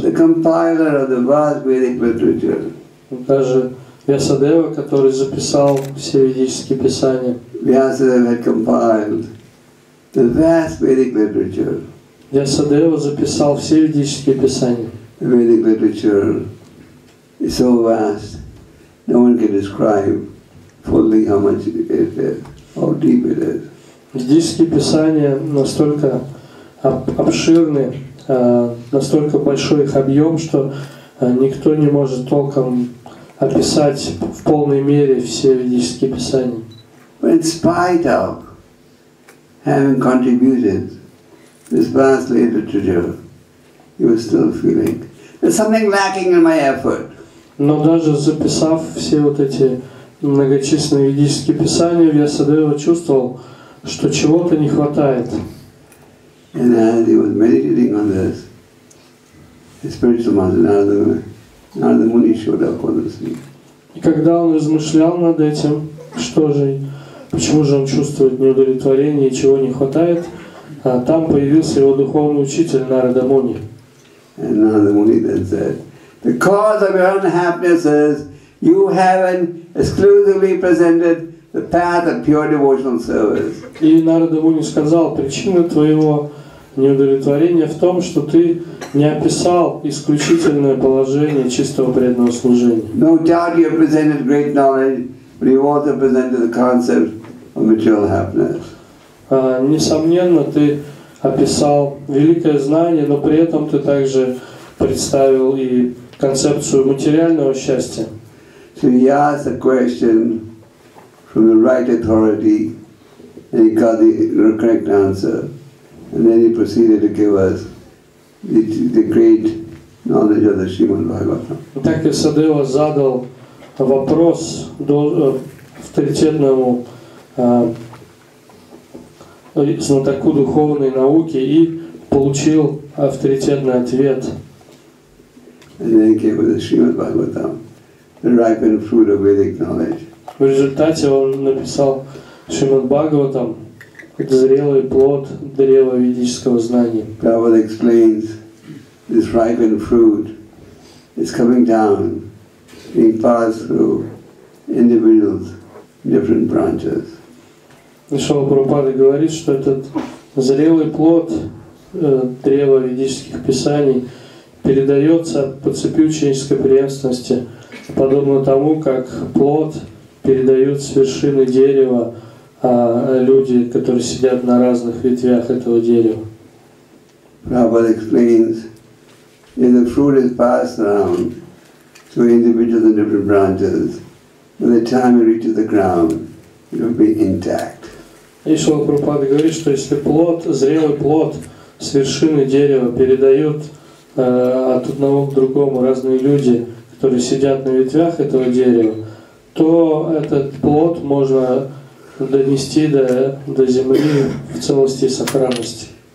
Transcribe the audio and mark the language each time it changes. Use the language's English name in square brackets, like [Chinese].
[English] The compiler of the vast Vedic literature. [Russian] Даже Вьясадева, который записал все ведические писания. [English] Vyasadeva had compiled the vast Vedic literature. [Russian] Вьясадева записал все ведические писания. [English] The Vedic literature is so vast, no one can describe fully how much it is. How deep it is. [Russian] Ведические писания настолько обширны, настолько большой их объем, что никто не может толком описать в полной мере все ведические писания. [English] But in spite of having contributed this vast literature, he was still feeling there's something lacking in my effort. [Russian] Но даже записав все вот эти многочисленные ведические писания, Вьясадева чувствовал, что чего-то не хватает. [English] And as he was meditating on this, his spiritual master Narada Muni showed up on the scene. [Russian] И когда он размышлял над этим, что же, почему же он чувствует неудовлетворение и чего не хватает, там появился его духовный учитель Нарада Муни. [English] And Narada Muni then said, the cause of your unhappiness is you haven't exclusively presented the path of pure devotional service. [Russian] И Нарада Муни сказал, причина твоего неудовлетворения в том, что ты не описал исключительное положение чистого преданного служения. [English] No doubt you have presented great knowledge, but you also presented the concept of material happiness. [Russian] Несомненно, ты описал великое знание, но при этом ты также представил и концепцию материального счастья. [English] So he asked a question from the right authority, and he got the correct answer. And then he proceeded to give us the great knowledge of the Srimad Bhagavatam. [Russian] Так Вьясадева задал вопрос авторитетному знатоку духовной науки и получил авторитетный ответ. [English] And then he gave us the Srimad Bhagavatam, the ripened fruit of Vedic knowledge. [Russian] В результате он написал Шримад Бхагаватам, это зрелый плод древа ведического знания. [English] Prabhupada explains this ripened fruit is coming down, being passed through individuals, different branches. [Russian] Шрила Прабхупада говорит, что этот зрелый плод древа ведических писаний передается по цепи ученической преемственности, подобно тому, как плод передают с вершины дерева люди, которые сидят на разных ветвях этого дерева. [English] Prabhupada explains, if the fruit is passed around to individuals in different branches, by the time it reaches the ground, it will be intact. [Russian] И Шрила Прабхупада говорит, что если плод, зрелый плод с вершины дерева передают от одного к другому разные люди, которые сидят на ветвях этого дерева, то этот плод можно донести до земли в целости и сохранности.